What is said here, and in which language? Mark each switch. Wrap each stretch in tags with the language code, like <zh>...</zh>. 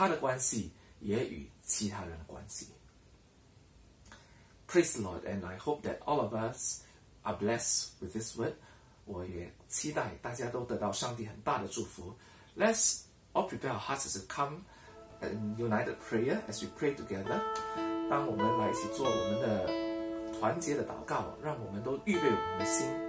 <zh>但愿上帝可以祝福我们与他的关系，也与其他人的关系。</zh> <en>Praise the Lord, and I hope that all of us are blessed with this word.</en> <zh>我也期待大家都得到上帝很大的祝福。</zh> <en>Let's all prepare our hearts as we come in united prayer as we pray together.</en> <zh>当我们来一起做我们的团结的祷告，让我们都预备我们的心。</zh>